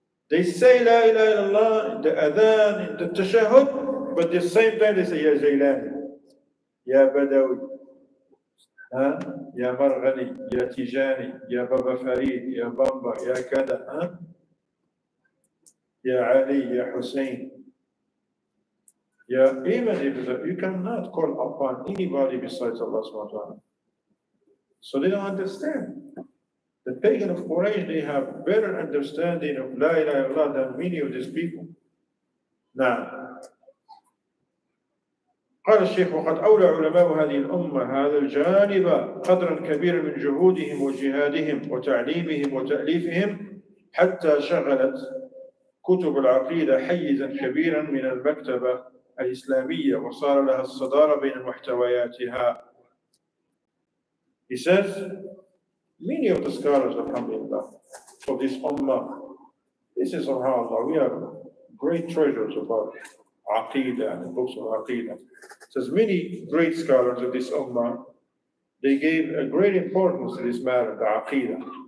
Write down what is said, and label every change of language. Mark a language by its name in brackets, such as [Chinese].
[English] They say [Arabic] La ilaha illallah [English] in the adhan, in the tashahud, but the same time they say Ya Jailani, Ya Badawi, Ya Marghani, Ya Tijani, Ya Baba Farid, Ya Bamba, Ya Kada, Ya Ali, Ya Hussein. Yeah, even if you cannot call upon anybody besides Allah [Arabic] subhanahu wa ta'ala. [English] So they don't understand. The pagan of Quraysh, they have better understanding of [Arabic] La ilaha illallah [English] than many of these people. [Arabic] Now, قال الشيخ وقد أولى علماء هذه الأمة هذا الجانب قدرا كبيرا من جهودهم وجهادهم وتعليمهم وتأليفهم حتى شغلت كتب العقيدة حيزا كبيرا من المكتبة الإسلامية وصار لها الصدارة بين محتوياتها. [English] He says, many of the scholars, alhamdulillah, of this ummah, this is subhanAllah, we have great treasures about Aqeedah and the books of Aqeedah. It says, many great scholars of this ummah, they gave a great importance to this matter, the Aqeedah.